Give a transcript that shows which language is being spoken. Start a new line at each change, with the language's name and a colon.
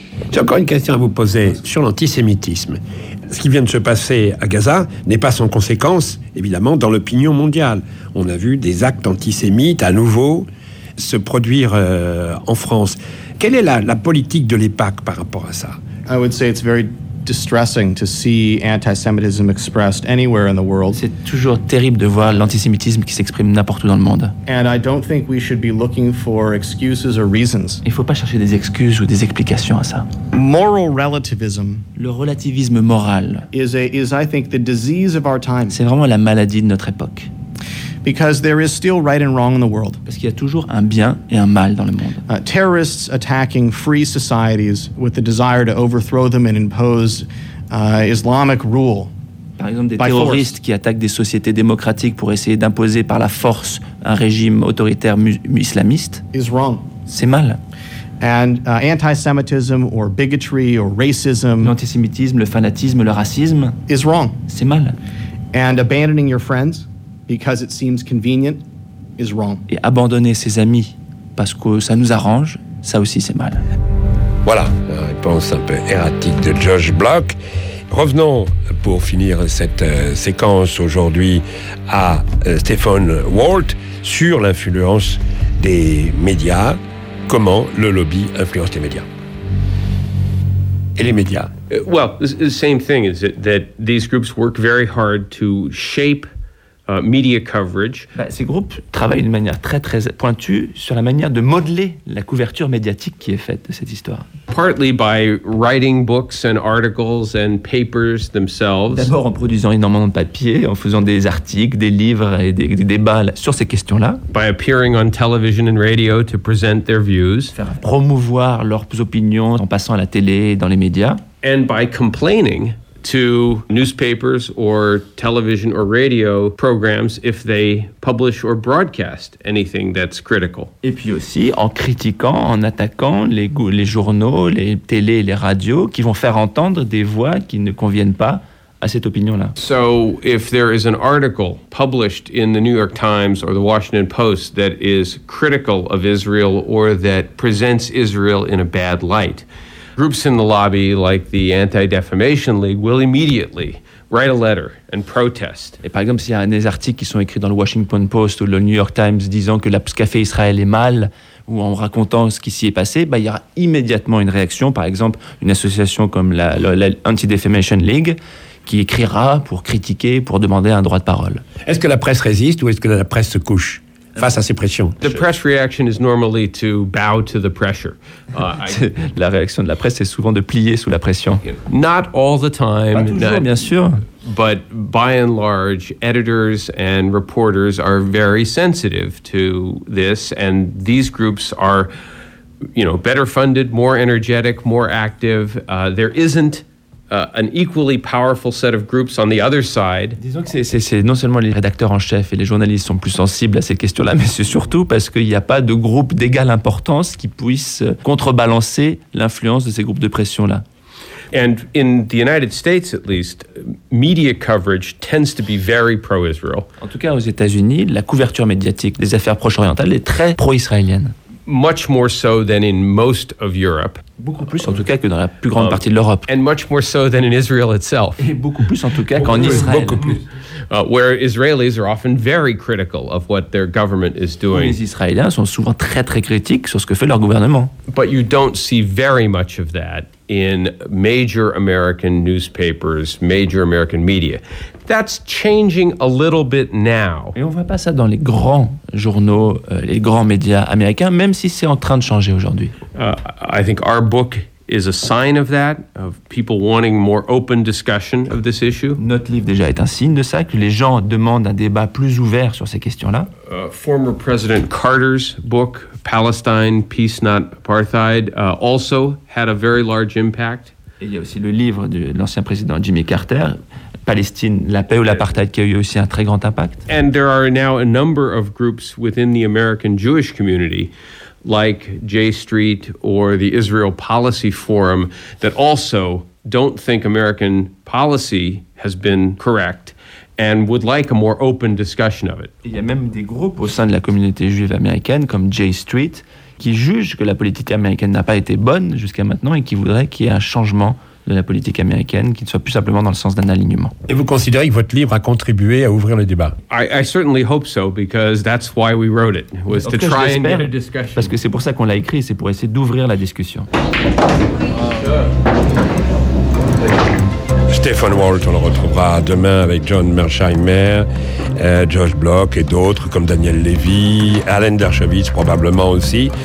French: J'ai encore une question à vous poser sur l'antisémitisme. Ce qui vient de se passer à Gaza n'est pas sans conséquence, évidemment, dans l'opinion mondiale. On a vu des actes antisémites à nouveau se produire en France. Quelle est la politique de l'EPAC par rapport à ça?
English: I would say it's very distressing to see anti-Semitism expressed anywhere in the world.
French: C'est toujours terrible de voir l'antisémitisme qui s'exprime n'importe où dans le monde.
English: And I don't think we should be looking for excuses or reasons.
French: Il faut pas chercher des excuses ou des explications à ça.
English: Moral relativism.
French: Le relativisme moral.
English: Is I think the disease of our time.
French: C'est vraiment la maladie de notre époque.
English: Because there is still right and wrong in the world.
French: Parce qu'il y a toujours un bien et un mal dans le monde.
English: Terrorists attacking free societies with the desire to overthrow them and impose Islamic rule.
French: Par exemple, des terroristes qui attaquent des sociétés démocratiques pour essayer d'imposer par la force un régime autoritaire islamiste.
English: Is wrong.
French: C'est mal.
English: And anti-Semitism or bigotry or racism.
French: L'antisémitisme, le fanatisme, le racisme.
English: Is wrong.
French: C'est mal.
English: And abandoning your friends. Because it seems convenient is wrong.
French: Et abandonner ses amis parce que ça nous arrange, ça aussi c'est mal. Voilà la réponse un peu erratique de Josh Bloch. Revenons pour finir cette séquence aujourd'hui à Stephen Walt sur l'influence des médias. Comment le lobby influence les médias? Et les médias?
English: Well, the same thing is that these groups work very hard to shape media coverage.
French: Ces groupes travaillent d'une manière très très pointue sur la manière de modeler la couverture médiatique qui est faite de cette histoire.
English: Partly by writing books and articles and papers themselves.
French: D'abord en produisant énormément de papiers, en faisant des articles, des livres et des débats sur ces questions-là.
English: By appearing on television and radio to present their views.
French: Faire promouvoir leurs opinions en passant à la télé et dans les médias.
English: And by complaining to newspapers or television or radio programs if they publish or broadcast anything that's critical.
French: Et puis aussi en critiquant, en attaquant les journaux, les télés, les radios qui vont faire entendre des voix qui ne conviennent pas à cette opinion-là.
English: So if there is an article published in the New York Times or the Washington Post that is critical of Israel or that presents Israel in a bad light, groups in the lobby, like the Anti-Defamation League, will immediately write a letter and protest.
French: Et par exemple, s'il y a des articles qui sont écrits dans le Washington Post ou le New York Times disant que le café Israël est mal ou en racontant ce qui s'y est passé, il y aura immédiatement une réaction. Par exemple, une association comme la Anti-Defamation League qui écrira pour critiquer, pour demander un droit de parole. Est-ce que la presse résiste ou est-ce que la presse se couche face à ces pressions?
English: The press reaction is normally to bow to the pressure.
French: La réaction de la presse est souvent de plier sous la pression.
English: Not all the time.
French: Pas toujours, bien sûr.
English: But by and large, editors and reporters are very sensitive to this, and these groups are, you know, better funded, more energetic, more active. There isn't an equally powerful set of groups on the other side.
French: Disons que c'est non seulement les rédacteurs en chef et les journalistes sont plus sensibles à ces questions-là, mais c'est surtout parce qu'il n'y a pas de groupe d'égale importance qui puisse contrebalancer l'influence de ces groupes de pression-là.
English: And in the United States, at least, media coverage tends to be very pro-Israel.
French: En tout cas, aux États-Unis, la couverture médiatique des affaires proche-orientales est très pro-israélienne.
English: Much more so than in most of Europe.
French: Beaucoup plus en tout cas que dans la plus grande partie de l'Europe.
English: And much more so than in Israel itself.
French: Et beaucoup plus en tout cas qu'en Israël. Beaucoup plus.
English: Where Israelis are often very critical of what their government is doing.
French: Les Israéliens sont souvent très très critiques sur ce que fait leur gouvernement.
English: But you don't see very much of that in major American newspapers, major American media. That's changing a little bit now.
French: Et on voit pas ça dans les grands journaux, les grands médias américains, même si c'est en train de changer aujourd'hui.
English: I think our book is a sign of that, of people wanting more open discussion of this issue.
French: Notre livre déjà est un signe de ça, que les gens demandent un débat plus ouvert sur ces questions-là.
English: Former President Carter's book, Palestine, Peace, Not Apartheid, also had a very large impact.
French: Et il y a aussi le livre de l'ancien président Jimmy Carter, Palestine, la paix ou l'apartheid, qui a eu aussi un très grand impact.
English: And there are now a number of groups within the American Jewish community, like J Street or the Israel Policy Forum, that also don't think American policy has been correct and would like a more open discussion of it.
French: Il y a même des groupes au sein de la communauté juive américaine, comme J Street, qui jugent que la politique américaine n'a pas été bonne jusqu'à maintenant et qui voudraient qu'il y ait un changement de la politique américaine, qui ne soit plus simplement dans le sens d'un alignement. Et vous considérez que votre livre a contribué à ouvrir le débat?
English: I certainly hope so, because that's why we wrote it, was to try and get a discussion.
French: Parce que c'est pour ça qu'on l'a écrit, c'est pour essayer d'ouvrir la discussion. Stephen Walt, on le retrouvera demain avec John Mersheimer, Josh Bloch et d'autres comme Daniel Levy, Alan Dershowitz probablement aussi.